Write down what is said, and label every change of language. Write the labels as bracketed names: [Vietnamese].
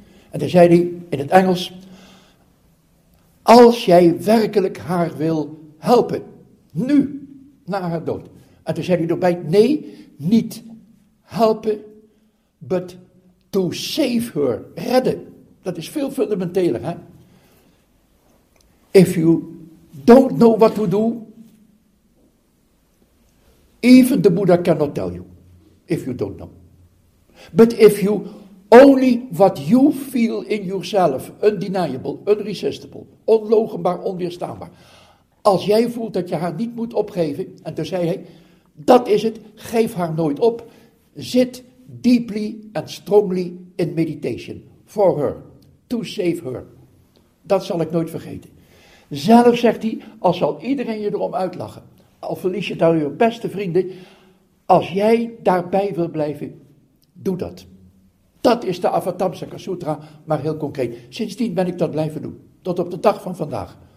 [Dutch] En dan zei hij in het Engels, als jij werkelijk haar wil helpen, nu, na haar dood. En toen zei hij erbij, nee, niet helpen, but to save her, redden. Dat is veel fundamenteler, hè. [English] If you don't know what to do, even the Buddha cannot tell you, if you don't know. But if you only what you feel in yourself, undeniable, unresistible, onlogenbaar, onweerstaanbaar. [Dutch] Als jij voelt dat je haar niet moet opgeven, en toen zei hij, dat is het, geef haar nooit op. [English] Zit deeply and strongly in meditation, for her, to save her. [Dutch] Dat zal ik nooit vergeten. Zelf zegt hij, al zal iedereen je erom uitlachen, al verlies je daar je beste vrienden, als jij daarbij wil blijven, doe dat. Dat is de Avatamsaka Sutra, maar heel concreet. Sindsdien ben ik dat blijven doen, tot op de dag van vandaag.